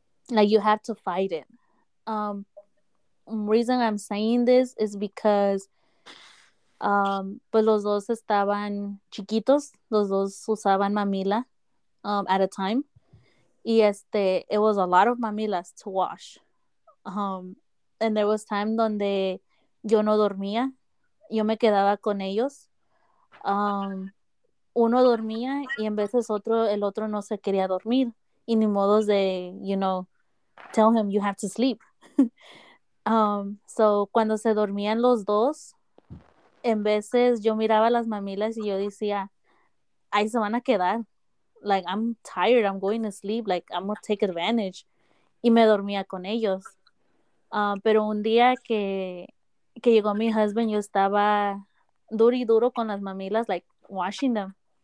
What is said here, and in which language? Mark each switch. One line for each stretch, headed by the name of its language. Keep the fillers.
English: like you have to fight it um reason I'm saying this is because
Spanish: um pues los dos estaban chiquitos los dos usaban mamila um
English: at a time
Spanish: y este
English: it was a lot of mamilas to wash
Spanish: um and there was time donde yo no dormía yo me quedaba con ellos um uno dormía y en veces otro, el otro no se quería dormir. Y ni modos de,
English: you know, tell him you have to sleep.
Spanish: um, so, cuando se dormían los dos, en veces yo miraba a las mamilas y yo decía, ahí se van a quedar.
English: Like, I'm tired, I'm going to sleep, like, I'm going to take advantage.
Spanish: Y me dormía con ellos. Uh, pero un día que, que llegó mi husband, yo estaba duro y duro con las mamilas, like,
English: washing them.